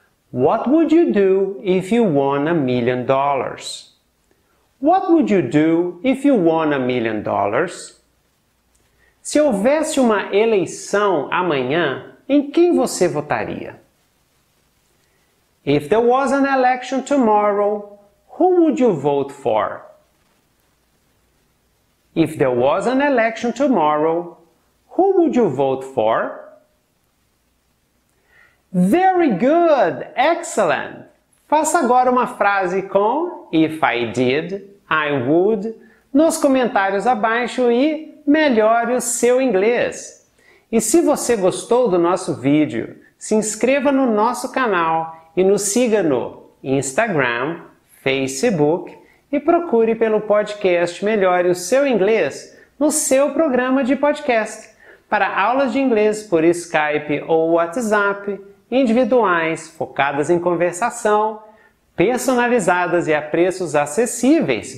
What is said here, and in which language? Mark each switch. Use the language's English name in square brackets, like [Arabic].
[English] What would you do if you won $1 million? What would you do if you won $1 million? [Portuguese] Se houvesse uma eleição amanhã, em quem você votaria? [English] If there was an election tomorrow, who would you vote for? If there was an election tomorrow, who would you vote for? Very good! Excellent! [Portuguese] Faça agora uma frase com [English] if I did, I would [Portuguese] nos comentários abaixo e melhore o seu inglês. E se você gostou do nosso vídeo, se inscreva no nosso canal e nos siga no Instagram, Facebook e procure pelo podcast Melhore o Seu Inglês no seu programa de podcast para aulas de inglês por Skype ou WhatsApp, individuais, focadas em conversação, personalizadas e a preços acessíveis.